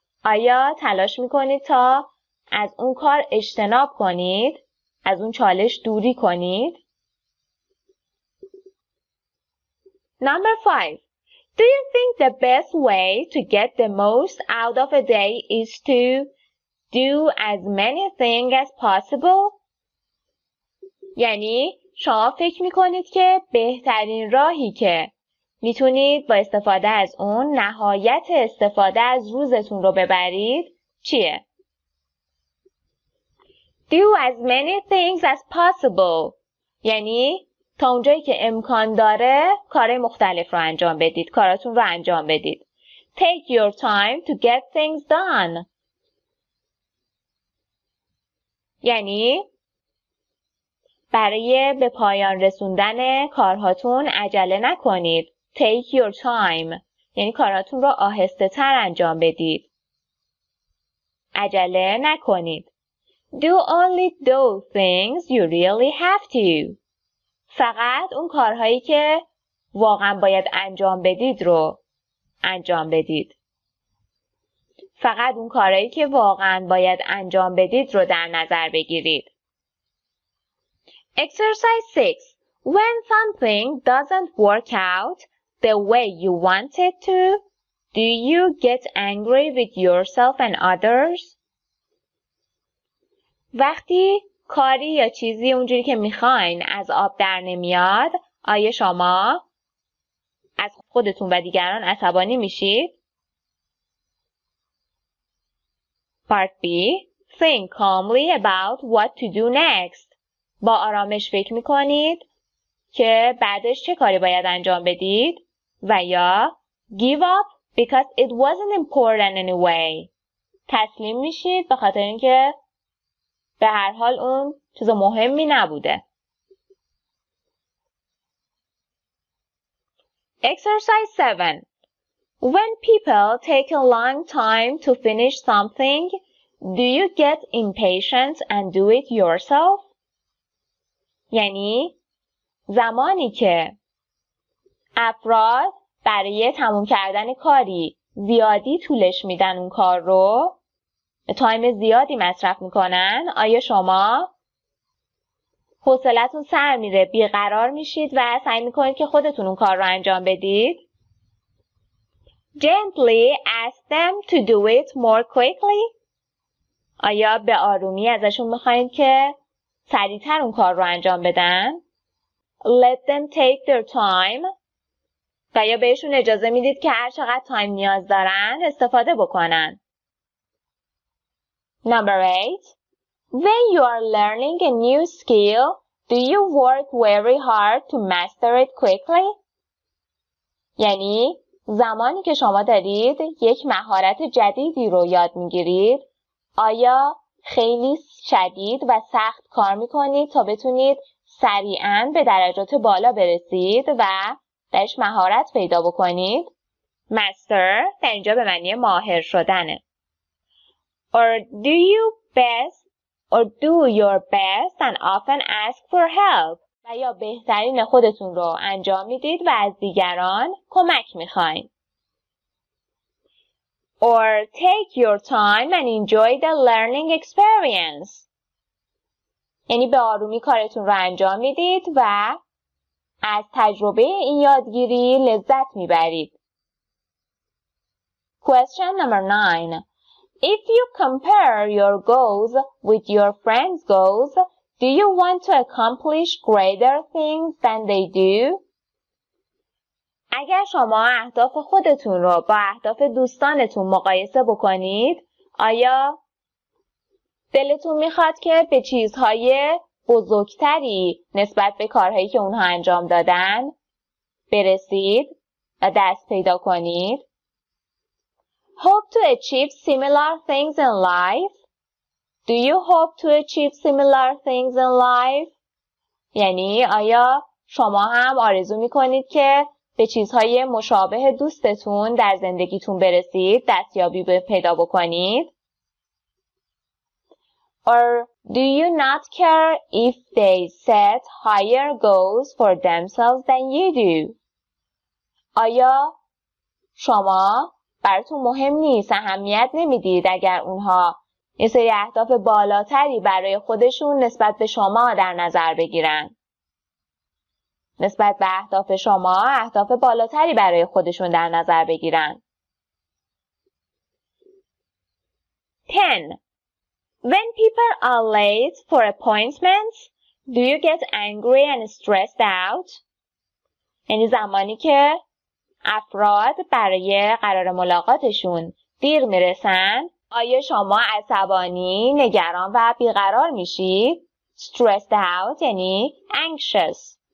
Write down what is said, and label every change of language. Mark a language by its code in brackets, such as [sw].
[fa] آیا تلاش میکنید تا از اون کار اجتناب کنید، از اون چالش دوری کنید؟ [en] Number 5. Do you think the best way to get the most out of a day is to do as many things as possible? [fa] یعنی شما فکر میکنید که بهترین راهی که میتونید با استفاده از اون نهایت استفاده از روزتون رو ببرید چیه؟ [en] Do as many things as possible. [fa] یعنی تا اونجایی که امکان داره کارهای مختلف رو انجام بدید. کاراتون رو انجام بدید. [en] Take your time to get things done. [fa] یعنی برای به پایان رسوندن کارهاتون عجله نکنید. [en] Take your time. [fa] یعنی کاراتون رو آهسته تر انجام بدید. عجله نکنید. [en] Do only those things you really have to. [fa] فقط اون کارهایی که واقعا باید انجام بدید رو انجام بدید. فقط اون کارهایی که واقعا باید انجام بدید رو در نظر بگیرید. [en] Exercise 6. When something doesn't work out the way you want it to, do you get angry with yourself and others? [fa] وقتی کاری یا چیزی اونجوری که میخواین از آب در نمیاد، آیا شما از خودتون و دیگران عصبانی میشید؟ [en] Part B. Think calmly about what to do next. [fa] با آرامش فکر میکنید که بعدش چه کاری باید انجام بدید و یا [en] give up because it wasn't important anyway. [fa] تسلیم میشید به خاطر اینکه به هر حال اون چیز مهمی نبوده. [en] Exercise 7. When people take a long time to finish something, do you get impatient and do it yourself? [fa] یعنی زمانی که افراد برای تموم کردن کاری زیادی طولش میدن اون کار رو، تایم زیادی مصرف میکنن، آیا شما حوصله‌تون سر میره، بیقرار میشید و سعی میکنید که خودتون اون کار رو انجام بدید؟ [en] Gently ask them to do it more quickly. [fa] آیا به آرومی ازشون میخواید که سریعتر اون کار رو انجام بدن؟ [en] Let them take their time. [fa] و یا بهشون اجازه میدید که هر چقدر تایم نیاز دارن استفاده بکنن. [en] Number 8. When you are learning a new skill, do you work very hard to master it quickly? [fa] یعنی زمانی که شما دارید یک مهارت جدیدی رو یاد میگیرید، آیا خیلی شدید و سخت کار میکنید تا بتونید سریعاً به درجات بالا برسید و درش مهارت پیدا بکنید؟ Master در اینجا به معنی ماهر شدنه. [en] Or do your best and often ask for help. و یا بهترین خودتون رو انجام میدید و از دیگران کمک میخواین. Or take your time and enjoy the learning experience. [fa] یعنی به آرومی کارتون رو انجام میدید و از تجربه این یادگیری لذت میبرید. [en] Question number 9. If you compare your goals with your friend's goals, do you want to accomplish greater things than they do? [fa] اگر شما اهداف خودتون رو با اهداف دوستانتون مقایسه بکنید، آیا دلتون میخواد که به چیزهای بزرگتری نسبت به کارهایی که اونها انجام دادن برسید و دست پیدا کنید؟ [en] Hope to achieve similar things in life? Do you hope to achieve similar things in life? [fa] یعنی آیا شما هم آرزو میکنید که به چیزهای مشابه دوستتون در زندگیتون برسید، دستیابی پیدا بکنید؟ [en] Or do you not care if they set higher goals for themselves than you do? [fa] آیا شما براتون مهم نیست، اهمیت نمیدید اگر اونها یه سری اهداف بالاتری برای خودشون نسبت به شما در نظر بگیرن؟ نسبت به اهداف شما اهداف بالاتری برای خودشون در نظر بگیرن. 10. [en] When people are late for appointments, do you get angry and stressed out? [fa] یعنی زمانی که افراد برای قرار ملاقاتشون دیر میرسن، آیا شما عصبانی، نگران و بیقرار میشید؟ Stressed out یعنی anxious.